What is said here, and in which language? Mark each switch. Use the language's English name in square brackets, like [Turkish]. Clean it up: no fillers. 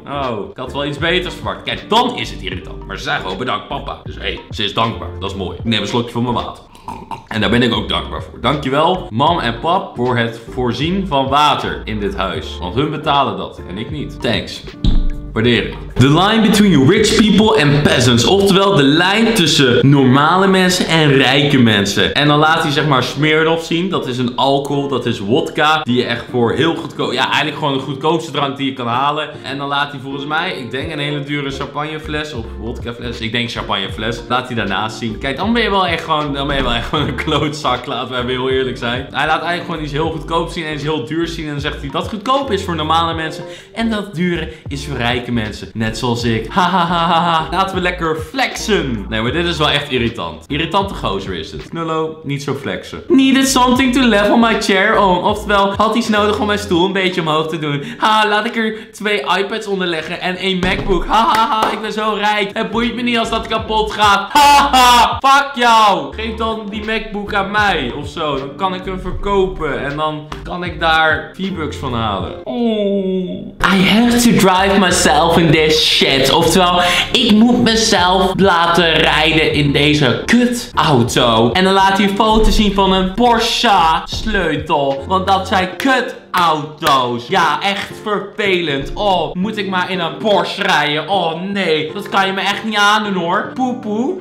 [Dutch] Oh, ik had wel iets beters verwacht. Kijk, dan is het irritant. Maar ze zei gewoon, bedankt papa. Dus hé, ze is dankbaar. Dat is mooi. Ik neem een slokje van mijn water. En daar ben ik ook dankbaar voor. Dankjewel, mam en pap, voor het voorzien van water in dit huis. Want hun betalen dat en ik niet. [English] Thanks. [Dutch] Waardering. [English] The line between rich people and peasants. [Dutch] Oftewel de lijn tussen normale mensen en rijke mensen. En dan laat hij zeg maar Smirnoff zien. Dat is een alcohol, dat is wodka. Die je echt voor heel goedkoop... Ja, eigenlijk gewoon de goedkoopste drank die je kan halen. En dan laat hij volgens mij, ik denk een hele dure champagnefles. Of wodkafles. Ik denk champagnefles. Laat hij daarnaast zien. Kijk, dan ben je wel echt gewoon, een klootzak. Laten we even heel eerlijk zijn. Hij laat eigenlijk gewoon iets heel goedkoop zien en iets heel duur zien. En dan zegt hij dat goedkoop is voor normale mensen. En dat dure is voor rijke mensen. Net zoals ik. Ha, ha, ha, ha. Laten we lekker flexen. Nee, maar dit is wel echt irritant. Irritante gozer is het. Nullo, niet zo flexen. [English] Needed something to level my chair on. [Dutch] Oftewel, had iets nodig om mijn stoel een beetje omhoog te doen. Ha, laat ik er 2 iPads onder leggen en 1 MacBook. Ha, ha, ha, ik ben zo rijk. Het boeit me niet als dat kapot gaat. Ha, ha, fuck jou. Geef dan die MacBook aan mij of zo. Dan kan ik hem verkopen en dan kan ik daar V-Bucks van halen. Oh. [English] I have to drive myself in this shit. [Dutch] Oftewel, ik moet mezelf laten rijden in deze kut auto. En dan laat hij een foto zien van een Porsche sleutel. Want dat zijn kut auto's. Ja, echt vervelend. Oh, moet ik maar in een Porsche rijden? Oh nee, dat kan je me echt niet aandoen hoor. Poepoe.